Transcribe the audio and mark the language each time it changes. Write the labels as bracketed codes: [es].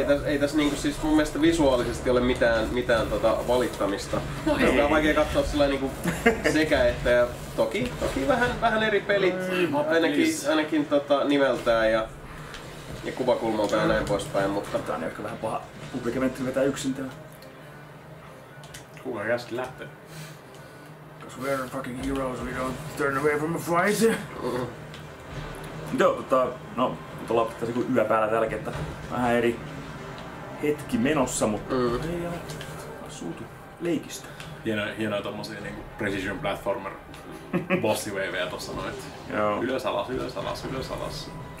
[fi] Ei tässä niinku siis mun mielestä visuaalisesti ole mitään valittamista. No ei. Tää on vaikea katsoa sillä niinku sekä että ja toki vähän eri pelit ainakin nimeltään ja kuvakulmalta ja näin poispäin, mutta tää on ehkä vähän paha publikamentti vetää yksin tää. Kuka käski lähtee? [en] Because we're fucking heroes, we don't turn away from a fight. [fi] Joo, tota, no, nyt ollaan tässä kuin yö päällä tälläkin, että vähän eri hetki menossa, mutta ei ole suutu leikistä. Hienoja tommosia niinku precision platformer bossi waveja tossa noin. Joo. Ylös alas, ylös alas, ylös alas.